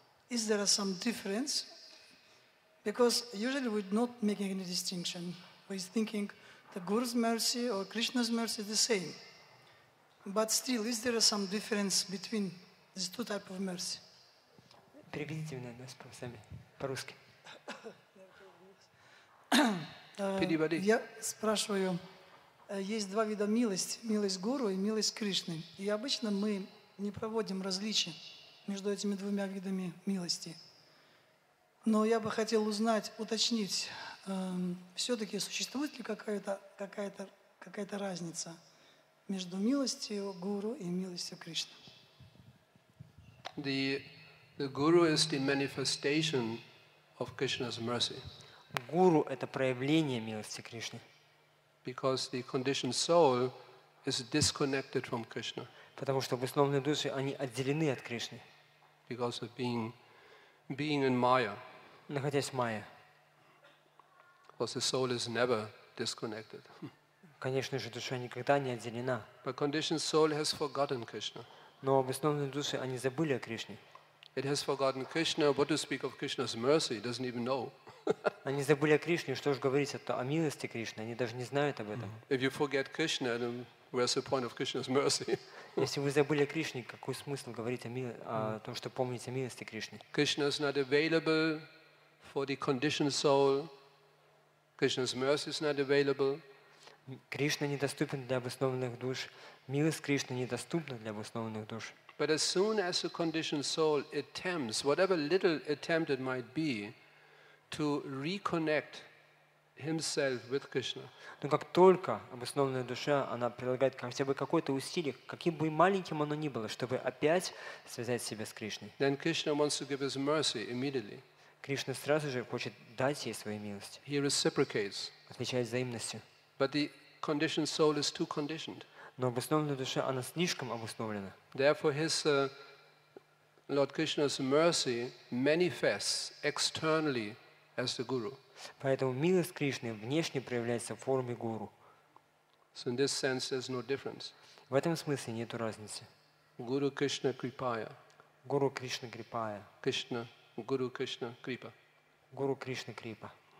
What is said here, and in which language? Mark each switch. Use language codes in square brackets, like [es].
[en] Is there some difference? Because usually we're not making any distinction. We're thinking the Guru's mercy or Krishna's mercy is the same. But still, is there some difference between these two types of mercy? [ru] Переведите мне нас сами по-русски. Я спрашиваю, есть два вида милости, милость Гуру и милость Кришны. И обычно мы не проводим различия между этими двумя видами милости. Но я бы хотел узнать, уточнить, все-таки существует ли какая-то разница между милостью Гуру и милостью Кришны? [en] The Guru is the manifestation of Krishna's mercy. [ru] Гуру – это проявление милости Кришны. [en] Because the conditioned soul is disconnected from Krishna. [ru] Потому что обусловленные души, они отделены от Кришны. [en] Because of being in Maya. [ru] Находясь в Майе. [en] Because the soul is never disconnected. [ru] Конечно же, душа никогда не отделена. [en] But conditioned soul has forgotten Krishna. [ru] Но обусловленные души, они забыли о Кришне. [en] It has forgotten Krishna. What to speak of Krishna's mercy? It doesn't even know. [ru] Они забыли о Кришне. Что же говорить о милости Кришны? Они даже не знают об этом. [en] If you forget Krishna, then where's the point of Krishna's mercy? [ru] Если вы забыли о Кришне, какой смысл говорить о том, что помните о милости Кришны? [en] Krishna is not available for the conditioned soul. Krishna's mercy is not available. [ru] Кришна недоступен для обоснованных душ. Милость Кришны недоступна для обоснованных душ. [en] But as soon as a conditioned soul attempts, whatever little attempt it might be, to reconnect himself with Krishna. [ru] Но как только обоснованная душа, она прилагает хотя бы какое-то усилие, каким бы маленьким оно ни было, чтобы опять связать себя с Кришной. [en] Then Krishna wants to give his mercy immediately. [ru] Кришна сразу же хочет дать ей свою милость. [en] He reciprocates. [ru] Отвечает взаимностью. [en] But the conditioned soul is too conditioned. [ru] Но обоснованная душа, она слишком обоснована. [en] Therefore, his Lord Krishna's mercy manifests externally as the guru. [ru] Поэтому милость Кришны внешне проявляется в форме гуру. [en] So in this sense, there's no difference. [ru] В этом смысле нет разницы. [sa] Guru Krishna Kripaya. Guru Krishna Kripaya. Krishna. Guru Krishna Kripa. Guru Krishna Kripa.